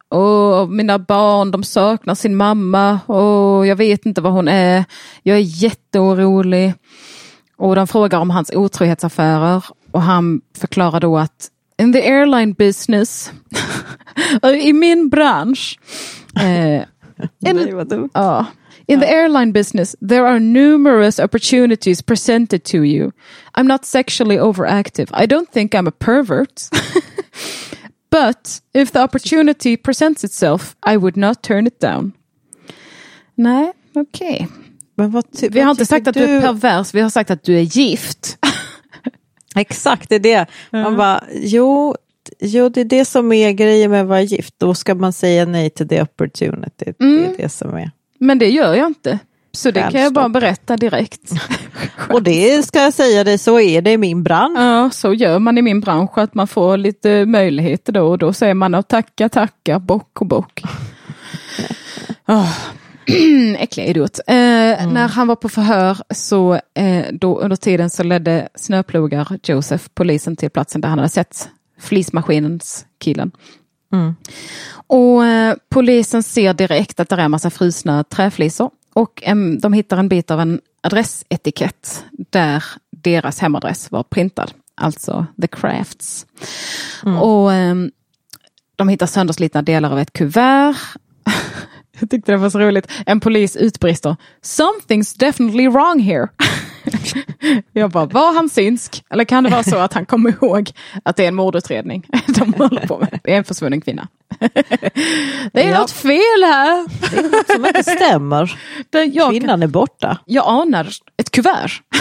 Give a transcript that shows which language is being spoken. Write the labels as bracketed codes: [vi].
[sv] Åh, mina barn, de saknar sin mamma. Åh, jag vet inte vad hon är. Jag är jätteorolig. Och de frågar om hans otrohetsaffärer. Och han förklarar då att [en] in the airline business, [sv] i min bransch. Nej, vad dumt. Ja. [en] In the airline business, there are numerous opportunities presented to you. I'm not sexually overactive. I don't think I'm a pervert. But if the opportunity presents itself, I would not turn it down. [sv] Nej, okej. Men vad vi har inte sagt du? Att du är pervers, vi har sagt att du är gift. Exakt, det är det. Man bara, jo, det är det som är grejen med att vara gift. Då ska man säga nej till [en] the opportunity. [sv] Mm. Det är det som är. Men det gör jag inte. Så det kan jag bara berätta direkt. Och det ska jag säga dig, så är det i min bransch. Ja, så gör man i min bransch att man får lite möjligheter då. Och då säger man att tacka, bock och bock. Äcklig idiot. När han var på förhör så då under tiden så ledde snöplogar Joseph polisen till platsen där han hade sett flismaskinens killen. Och polisen ser direkt att det är en massa frusna träflisor. Och de hittar en bit av en adressetikett där deras hemadress var printad. Alltså The Crafts. Mm. Och de hittar sönderslitna delar av ett kuvert. Jag tyckte det var så roligt. En polis utbrister. [en] Something's definitely wrong here. [sv] Jag bara, var han synsk? Eller kan det vara så att han kommer ihåg att det är en mordutredning de håller på med? Det är en försvunnen kvinna. Det är något fel här. Det är något som inte stämmer. Kvinnan är borta. Jag anar ett kuvert.